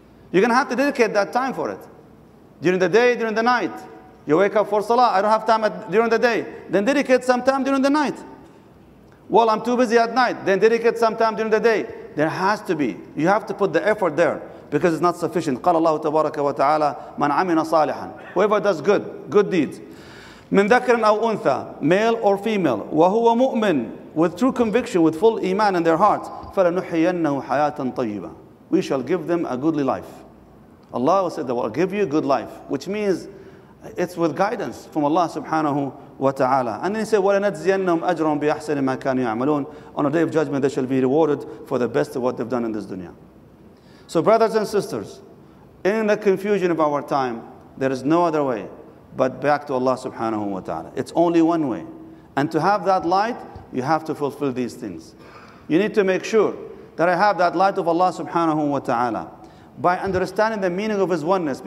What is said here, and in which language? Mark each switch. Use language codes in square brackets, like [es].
[en] You're going to have to dedicate that time for it. During the day, during the night. You wake up for salah. I don't have time during the day. Then dedicate some time during the night. Well, I'm too busy at night. Then dedicate some time during the day. There has to be. You have to put the effort there because it's not sufficient. [ar] قال الله تبارك وتعالى من عمل صالحا. [en] Whoever does good deeds. [ar] من ذكر أو أنثى, [en] male or female, [ar] وهو مؤمن, [en] with true conviction, with full iman in their hearts, [ar] فَلَنُحْيَنَّهُ حَيَاةً طَيِّبًا. [en] We shall give them a goodly life. Allah said that will give you a good life, which means it's with guidance from Allah subhanahu wa ta'ala. And then he said, [ar] وَلَنَجْزِيَنَّهُمْ أَجْرًا بِأَحْسَنِ مَا كَانُوا يَعْمَلُونَ. [en] On a day of judgment, they shall be rewarded for the best of what they've done in this dunya. So brothers and sisters, in the confusion of our time, there is no other way but back to Allah subhanahu wa ta'ala. It's only one way. And to have that light, you have to fulfill these things. You need to make sure that I have that light of Allah subhanahu wa ta'ala by understanding the meaning of His oneness.